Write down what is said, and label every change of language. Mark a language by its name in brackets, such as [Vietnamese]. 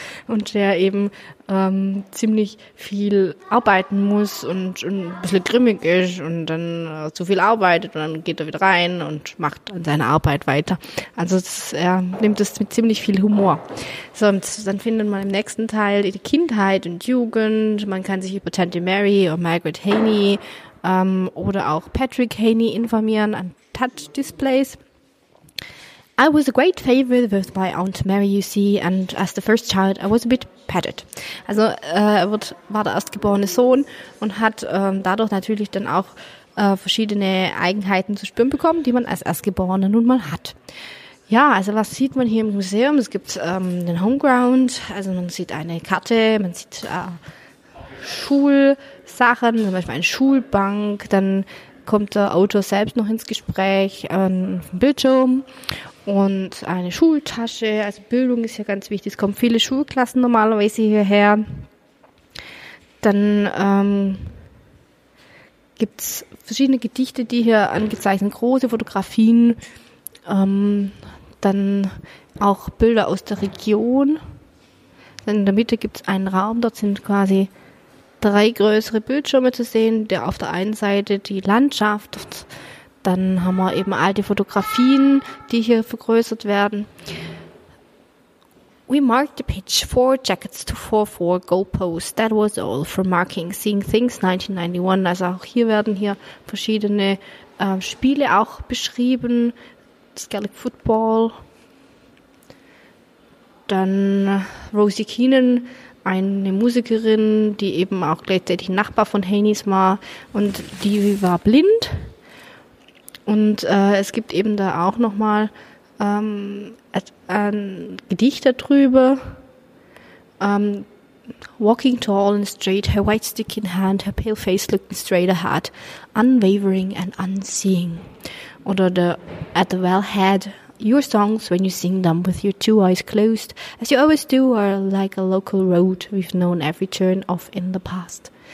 [German] und der eben ziemlich viel arbeiten muss und ein bisschen grimmig ist und dann zu viel arbeitet und dann geht er wieder rein und macht an seiner Arbeit weiter. Also er nimmt es mit ziemlich viel Humor. So, und dann findet man im nächsten Teil die Kindheit und Jugend. Man kann sich über Tante Mary oder Margaret Haney oder auch Patrick Haney informieren an Touch-Displays. [English] I was a great favorite with my Aunt Mary, you see, and as the first child, I was a bit petted. [German] Also war der erstgeborene Sohn und hat dadurch natürlich dann auch verschiedene Eigenheiten zu spüren bekommen, die man als Erstgeborener nun mal hat. Ja, also was sieht man hier im Museum? Es gibt den Homeground, also man sieht eine Karte, man sieht Schulsachen, zum Beispiel eine Schulbank, dann kommt der Autor selbst noch ins Gespräch auf dem Bildschirm. Und eine Schultasche, also Bildung ist ja ganz wichtig. Es kommen viele Schulklassen normalerweise hierher. Dann gibt es verschiedene Gedichte, die hier angezeigt sind, große Fotografien. Dann auch Bilder aus der Region. Dann in der Mitte gibt es einen Raum, dort sind quasi drei größere Bildschirme zu sehen. Der auf der einen Seite die Landschaft. Dann haben wir eben alte Fotografien, die hier vergrößert werden. [English] We marked the pitch 4 jackets to 4 goalposts. That was all for marking Seeing Things 1991. [German] Also auch hier werden hier verschiedene Spiele auch beschrieben. Das Gaelic Football. Dann Rosie Keenan, eine Musikerin, die eben auch gleichzeitig Nachbar von Haney's war. Und die war blind. Und es gibt eben da auch nochmal ein Gedicht darüber. [English] Walking tall and straight, her white stick in hand, her pale face looking straight ahead, unwavering and unseeing. [German] Oder [English] at the wellhead, your songs when you sing them with your two eyes closed, as you always do, are like a local road we've known every turn of in the past.